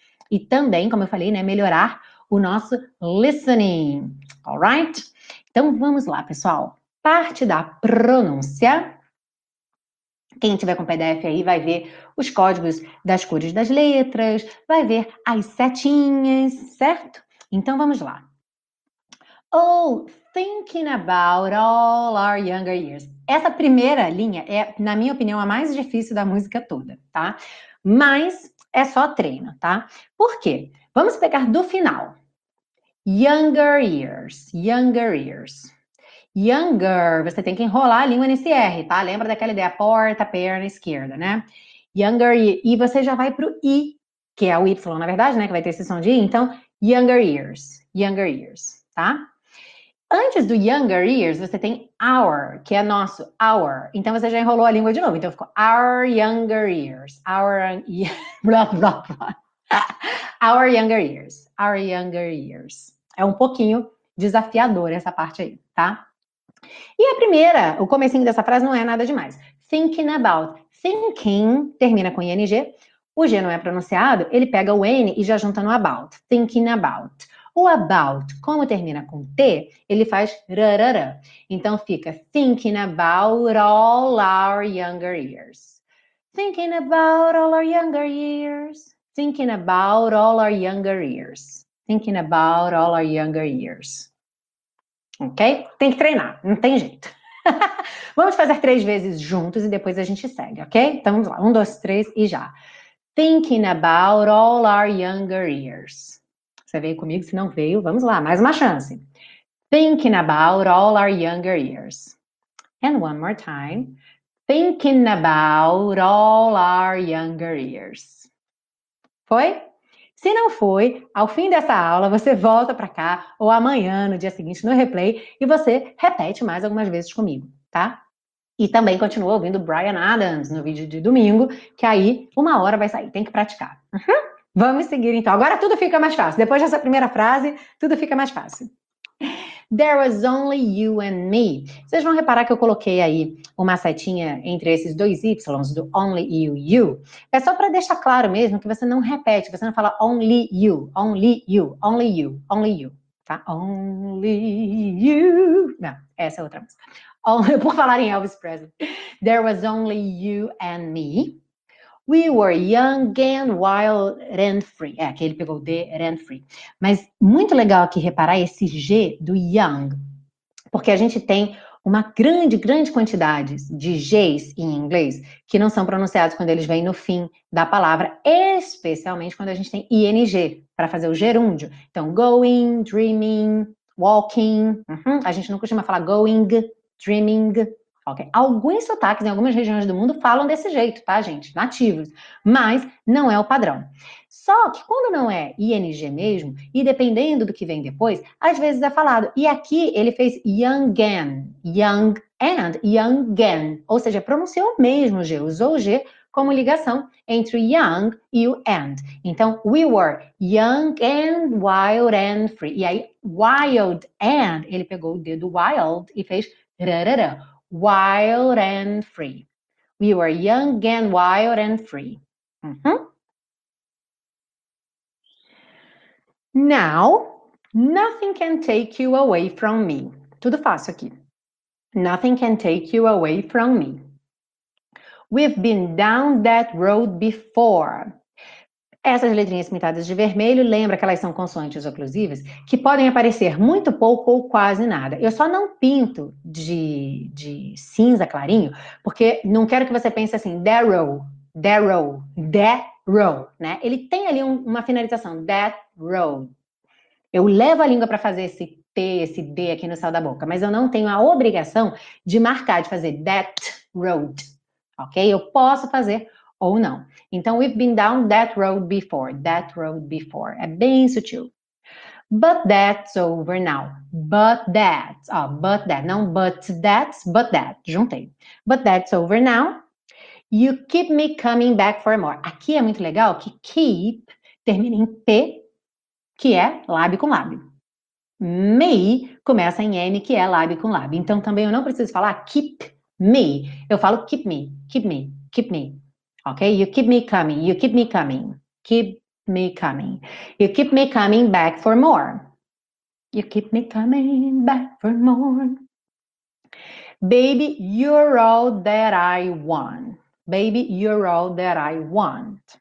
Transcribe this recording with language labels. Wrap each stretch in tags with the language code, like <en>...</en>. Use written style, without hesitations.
<pt>E também, como eu falei, né, melhorar o nosso listening,</pt> <en>alright?</en> <pt>Então vamos lá, pessoal. Parte da pronúncia. Quem tiver com PDF aí vai ver os códigos das cores das letras, vai ver as setinhas, certo? Então vamos lá.</pt> <en>Oh, thinking about all our younger years.</en> <pt>Essa primeira linha é, na minha opinião, a mais difícil da música toda, tá? Mas é só treino, tá? Por quê? Vamos pegar do final.</pt> <en>Younger years, younger years.</en> <pt>Younger, você tem que enrolar a língua nesse R, tá? Lembra daquela ideia, porta, perna esquerda, né? Younger, e você já vai pro I, que é o Y, na verdade, né? Que vai ter esse som de I. Então,</pt> <en>younger years,</en> <pt>tá? Antes do younger years, você tem our, que é nosso, our. Então, você já enrolou a língua de novo. Então, ficou</pt> <en>our younger years. Our, blá, blá, blá. Our younger years. Our younger years.</en> <pt>É um pouquinho desafiador essa parte aí, tá? E a primeira, o comecinho dessa frase não é nada demais.</pt> <en>Thinking about.</en> <pt>Thinking termina com ing. O g não é pronunciado, ele pega o n e já junta no about.</pt> <en>Thinking about.</en> <pt>O about, como termina com T, ele faz rarara. Então fica</pt> <en>thinking about all our younger years. Thinking about all our younger years. Thinking about all our younger years. Thinking about all our younger years. Ok?</en> <pt>Tem que treinar, não tem jeito. Vamos fazer três vezes juntos e depois a gente segue, ok? Então vamos lá, um, dois, três e já.</pt> <en>Thinking about all our younger years.</en> <pt>Você veio comigo, se não veio, vamos lá, mais uma chance.</pt> <en>Thinking about all our younger years. And one more time. Thinking about all our younger years.</en> <pt>Foi? Se não foi, ao fim dessa aula, você volta para cá ou amanhã, no dia seguinte, no replay, e você repete mais algumas vezes comigo, tá? E também continua ouvindo Bryan Adams no vídeo de domingo, que aí uma hora vai sair, tem que praticar. Vamos seguir, então. Agora tudo fica mais fácil. Depois dessa primeira frase, tudo fica mais fácil.</pt> <en>There was only you and me.</en> <pt>Vocês vão reparar que eu coloquei aí uma setinha entre esses dois Ys, do only you, you. É só para deixar claro mesmo que você não repete, você não fala</pt> <en>only you, only you,</en> <pt>only you, only you. Tá?</pt> <en>Only you.</en> <pt>Não, essa é outra música. Por falar em Elvis Presley.</pt> <en>There was only you and me. We were young and wild and free.</en> <pt>É, aqui ele pegou de</pt> <en>and free.</en> <pt>Mas muito legal aqui reparar esse G do young. Porque a gente tem uma grande, grande quantidade de Gs em inglês que não são pronunciados quando eles vêm no fim da palavra, especialmente quando a gente tem ing para fazer o gerúndio.</pt> <en>Então, going, dreaming, walking. Uhum.</en> <pt>A gente não costuma falar going, dreaming. Ok, alguns sotaques em algumas regiões do mundo falam desse jeito, tá, gente? Nativos. Mas não é o padrão. Só que quando não é ing mesmo, e dependendo do que vem depois, às vezes é falado. E aqui ele fez</pt> <en>young and, young and, young and.</en> <pt>Ou seja, pronunciou mesmo o G, usou o G como ligação entre o</pt> <en>young e o and. Então, we were young and wild and free.</en> <pt>E aí, wild and, ele pegou o dedo wild e fez rarara.</pt> <en>Wild and free. We were young and wild and free. Uhum. Now, nothing can take you away from me.</en> <pt>Tudo fácil aqui.</pt> <en>Nothing can take you away from me. We've been down that road before.</en> <pt>Essas letrinhas pintadas de vermelho, lembra que elas são consoantes oclusivas? Que podem aparecer muito pouco ou quase nada. Eu só não pinto de cinza clarinho, porque não quero que você pense assim, Darrow, Darrow, Darrow, né? Ele tem ali uma finalização,</pt> <en>that road.</en> <pt>Eu levo a língua para fazer esse T, esse D aqui no céu da boca, mas eu não tenho a obrigação de marcar, de fazer that road, ok? Eu posso fazer ou não. Então,</pt> <en>we've been down that road before,</en> <pt>é bem sutil.</pt> <en>But that's over now, but that, oh, but that, não, but that,</en> <pt>juntei.</pt> <en>But that's over now, you keep me coming back for more.</en> <pt>Aqui é muito legal que keep termina em P, que é lábio com lábio. Me começa em N, que é lábio com lábio. Então, também eu não preciso falar keep me, eu falo</pt> <en>keep me, keep me,</en> <pt>keep me.</pt> <en>Ok? You keep me coming. You keep me coming. Keep me coming. You keep me coming back for more. You keep me coming back for more. Baby, you're all that I want. Baby, you're all that I want.</en>